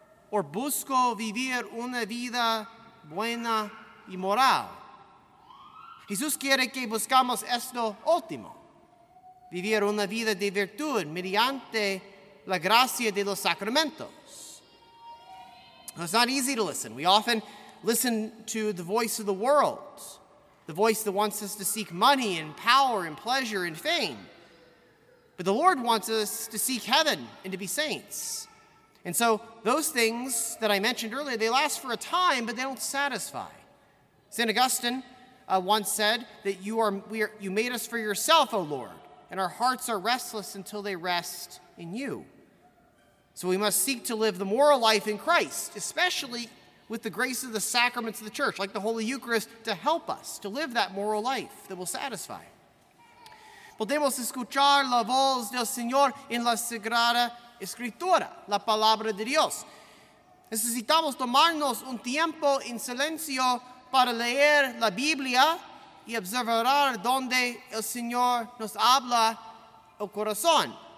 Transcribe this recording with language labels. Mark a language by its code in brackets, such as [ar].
[es] ¿O busco vivir una vida buena y moral? Jesús quiere que buscamos esto último, vivir una vida de virtud mediante la gracia de los sacramentos. [en] It's not easy to listen. We often listen to the voice of the world, the voice that wants us to seek money and power and pleasure and fame. But the Lord wants us to seek heaven and to be saints. And so those things that I mentioned earlier, they last for a time, but they don't satisfy. St. Augustine once said that you made us for yourself, O Lord, and our hearts are restless until they rest in you. So we must seek to live the moral life in Christ, especially with the grace of the sacraments of the church, like the Holy Eucharist, to help us to live that moral life that will satisfy. [es] Podemos escuchar la voz del Señor en la Sagrada Escritura, la Palabra de Dios. Necesitamos tomarnos un tiempo en silencio para leer la Biblia y observar donde el Señor nos habla el corazón.